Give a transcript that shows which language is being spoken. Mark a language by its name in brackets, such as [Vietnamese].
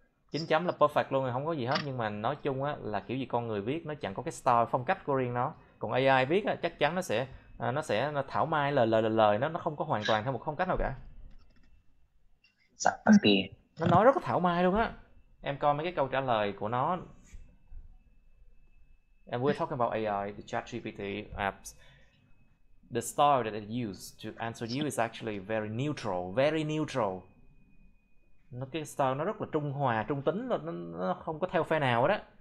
[Vietnamese] 9 chấm là perfect luôn, không có gì hết. Nhưng mà nói chung á, là kiểu gì con người viết nó chẳng có cái style, phong cách của riêng nó. Còn AI viết á, chắc chắn nó sẽ thảo mai lời nó không có hoàn toàn theo một phong cách nào cả. Nó nói rất có thảo mai luôn á. Em coi mấy cái câu trả lời của nó. [English] And we're talking about AI, the ChatGPT apps. The style that it used to answer you is actually very neutral, very neutral. [Vietnamese] Nó cái style nó rất là trung hòa, trung tính, nó không có theo phe nào đó.